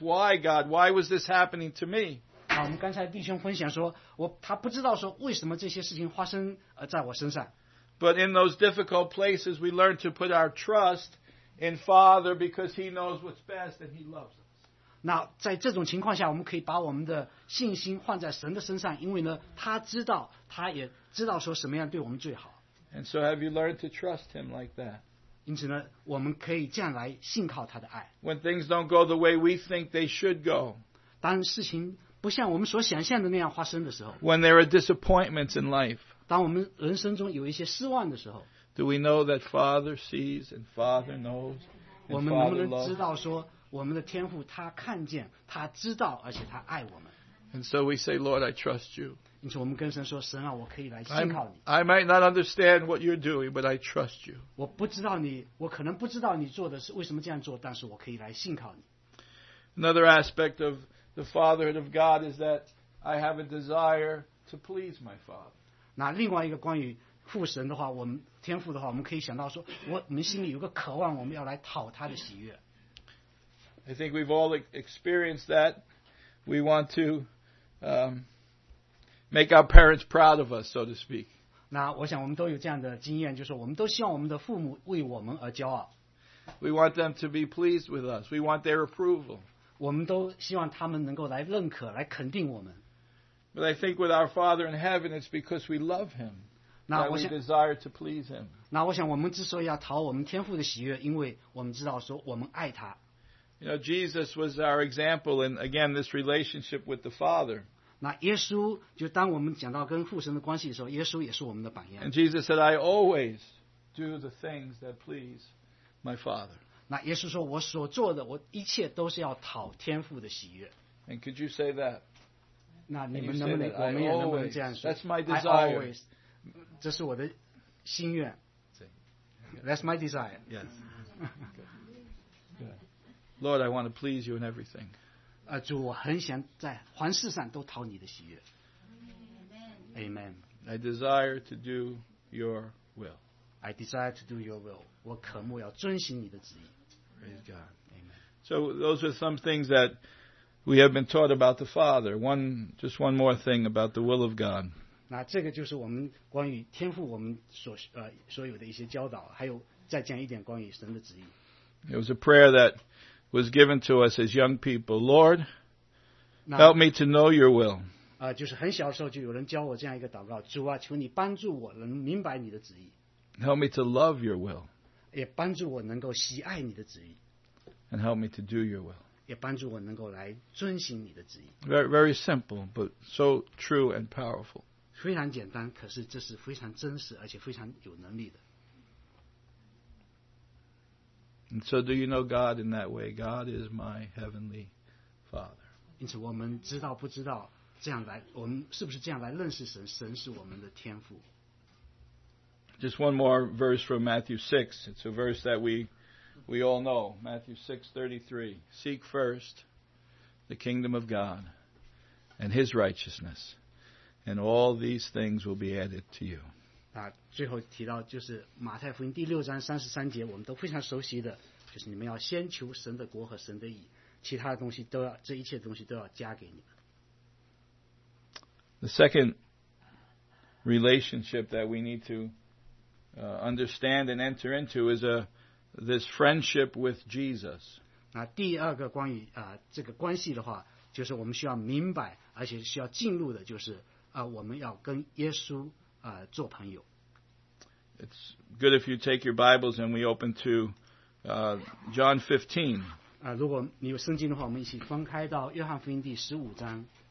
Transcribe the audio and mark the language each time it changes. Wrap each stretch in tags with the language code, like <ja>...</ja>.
<en>Why God? Why was this happening to me?</en> <zh>我们刚才弟兄分享说，他不知道说为什么这些事情发生在我身上。</zh> <en>But in those difficult places, we learn to put our trust in Father because He knows what's best and He loves us.</en> <zh>那在这种情况下，我们可以把我们的信心放在神的身上，因为呢，他知道，他也知道说什么样对我们最好。</zh> <en>And so, have you learned to trust Him like that?</en> <zh>因此呢，我们可以这样来信靠他的爱。</zh> <en>When things don't go the way we think they should go.</en> <zh>当事情不像我们所想象的那样发生的时候。</zh> <en>When there are disappointments in life.</en> <zh>当我们人生中有一些失望的时候。</zh> <en>Do we know that Father sees and Father knows?</en> <zh>我们能不能知道说？我们的天父他看见他知道而且他爱我们。</zh> <en>And so we say, Lord, I trust you.</en> <zh>因此我们跟神说，神啊，我可以来信靠你。</zh> <en>I might not understand what you're doing, but I trust you.</en> <zh>我不知道你，我可能不知道你做的是为什么这样做，但是我可以来信靠你。</zh> <en>Another aspect of the fatherhood of God is that I have a desire to please my Father.</en> <zh>那另外一个关于父神的话，我们天父的话，我们可以想到说，我们心里有个渴望，我们要来讨他的喜悦。</zh> <en>I think we've all experienced that. We want to make our parents proud of us, so to speak.</en> <zh>那我想我们都有这样的经验，就是我们都希望我们的父母为我们而骄傲。</zh> <en>We want them to be pleased with us. We want their approval.</en> <zh>我们都希望他们能够来认可，来肯定我们。</zh> <en>But I think with our Father in heaven, it's because we love Him. That we desire to please Him.</en> <zh>那我想我们之所以要讨我们天父的喜悦，因为我们知道说我们爱他。</zh> <en>You know, Jesus was our example in, again, this relationship with the Father.</en> <zh>那耶稣就当我们讲到跟父神的关系的时候，耶稣也是我们的榜样。</zh> <en>And Jesus said, I always do the things that please my Father.</en> <zh>那耶稣说，我所做的，我一切都是要讨天父的喜悦。</zh> <en>And could you say that?</en> <zh>那你们能不能，我们也能不能这样说</zh> <en>？That's my desire. I always,</en> <zh>这是我的心愿。</zh> <en>That's my desire. Yes. Lord, I want to please you in everything.</en> <zh>主，我很想在凡事上都讨你的喜悦。</zh> <en>Amen. I desire to do your will. I desire to do your will.</en> <zh>我渴慕要遵行你的旨意。</zh> <en>Praise God. Amen. So those are some things that we have been taught about the Father. One more thing about the will of God.</en> <zh>那这个就是我们关于天父我们所有的一些教导，还有再讲一点关于神的旨意。</zh> <en>It was a prayer that was given to us as young people. Lord, help me to know your will.</en> <zh>就是很小的时候就有人教我这样一个祷告，主啊，求你帮助我能明白你的旨意。</zh> <en>Help me to love your will.</en> <zh>也帮助我能够喜爱你的旨意。</zh> <en>And help me to do your will.</en> <zh>也帮助我能够来遵行你的旨意。</zh> <en>Very, very simple, but so true and powerful.</en> <zh>非常简单，可是这是非常真实，而且非常有能力的。</zh> <en>And so do you know God in that way? God is my heavenly Father.</en> <zh>因此我们知道不知道这样来，我们是不是这样来认识神？神是我们的天父。</zh> <en>Just one more verse from Matthew 6. It's a verse that we all know. Matthew 6:33. Seek first the kingdom of God and his righteousness, and all these things will be added to you.</en> <zh>啊，最后提到就是马太福音第六章三十三节，我们都非常熟悉的，就是你们要先求神的国和神的义，其他的东西都要，这一切东西都要加给你们。</zh> <en>The second relationship that we need to understand and enter into is this friendship with Jesus.</en> <zh>那第二个关于这个关系的话，就是我们需要明白，而且需要进入的，就是我们要跟耶稣。做朋友。</zh> <en>It's good if you take your Bibles and we open to John 15.</en> <zh>如果你有圣经的话，我们一起翻开到约翰福音第十五章。</zh>